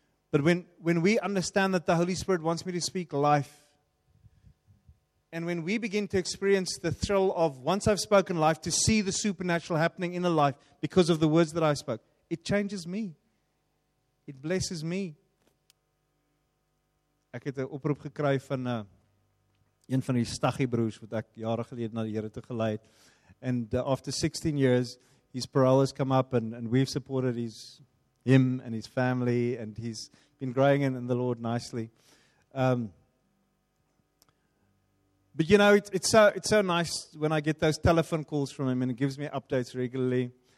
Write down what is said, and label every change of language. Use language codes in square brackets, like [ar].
[en] But when we understand that the Holy Spirit wants me to speak life, and when we begin to experience the thrill of, once I've spoken life, to see the supernatural happening in a life because of the words that I spoke, it changes me. It blesses me. [af] Ek het 'n oproep gekry van een van die staggie broers wat ek jare gelede na die Here toe gelei het. [en] And after 16 years, his parole has come up and we've supported him and his family, and he's been growing in the Lord nicely. But you know, it's so nice when I get those telephone calls from him, and it gives me updates regularly.